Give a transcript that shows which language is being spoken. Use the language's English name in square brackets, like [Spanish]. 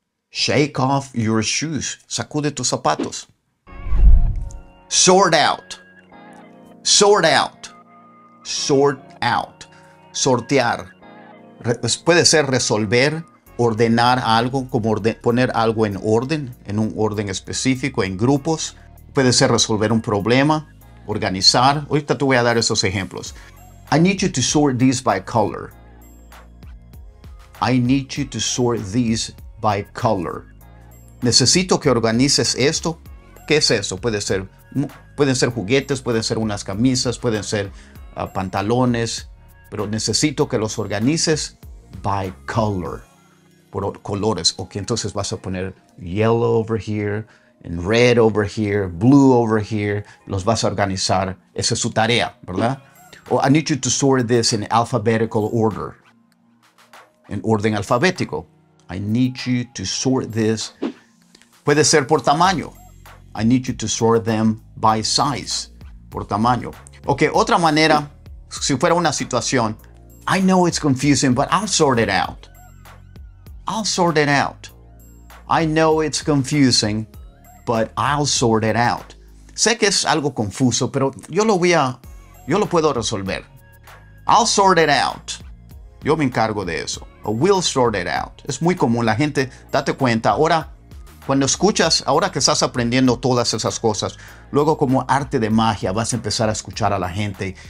[English] Shake off your shoes. [Spanish] Sacude tus zapatos. [English] Sort out. Sort out. Sort out. [Spanish] Sortear. Puede ser resolver, ordenar algo, como poner algo en orden, en un orden específico, en grupos. Puede ser resolver un problema, organizar. Ahorita te voy a dar esos ejemplos. [English] I need you to sort these by color. I need you to sort these by color. [Spanish] Necesito que organices esto. ¿Qué es eso? Pueden ser juguetes, pueden ser unas camisas, pueden ser pantalones. Pero necesito que los organices [English] by color. [Spanish] Por colores. [English] Ok, [Spanish] entonces vas a poner [English] yellow over here, and red over here, blue over here. [Spanish] Los vas a organizar. Esa es su tarea, ¿verdad? [English] Or I need you to sort this in alphabetical order. [Spanish] En orden alfabético. [English] I need you to sort this. [Spanish] Puede ser por tamaño. [English] I need you to sort them by size. [Spanish] Por tamaño. [English] Ok, [Spanish] otra manera. Si fuera una situación. [English] I know it's confusing, but I'll sort it out. I'll sort it out. I know it's confusing, but I'll sort it out. [Spanish] Sé que es algo confuso, pero yo lo puedo resolver. [English] I'll sort it out. [Spanish] Yo me encargo de eso. O [English] we'll sort it out. [Spanish] Es muy común. La gente, date cuenta. Ahora, cuando escuchas, ahora que estás aprendiendo todas esas cosas, luego como arte de magia vas a empezar a escuchar a la gente.